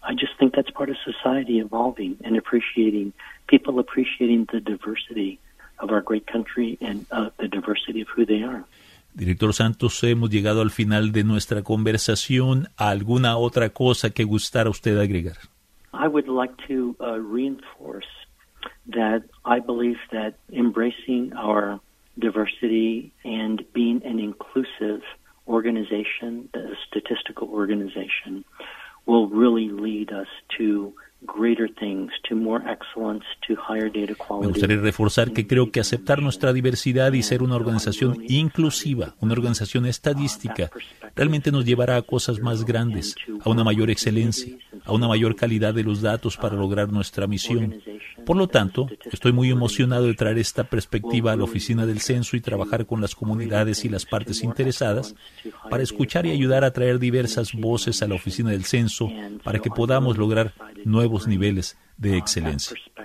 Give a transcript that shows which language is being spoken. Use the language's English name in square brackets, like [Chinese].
[English] I just think that's part of society evolving and appreciating, people appreciating the diversity of our great country and the diversity of who they are. [Spanish] Director Santos, hemos llegado al final de nuestra conversación. ¿Alguna otra cosa que gustara usted agregar? [English] I would like to reinforce that I believe that embracing our diversity and being an inclusive organization, the statistical organization, will really lead us to greater things, to more excellence, to higher data quality. [Spanish] Me gustaría reforzar que creo que aceptar nuestra diversidad y ser una organización inclusiva, una organización estadística, realmente nos llevará a cosas más grandes, a una mayor excelencia, a una mayor calidad de los datos para lograr nuestra misión. Por lo tanto, estoy muy emocionado de traer esta perspectiva a la Oficina del Censo y trabajar con las comunidades y las partes interesadas para escuchar y ayudar a traer diversas voces a la Oficina del Censo para que podamos lograr nuevos niveles de excelencia.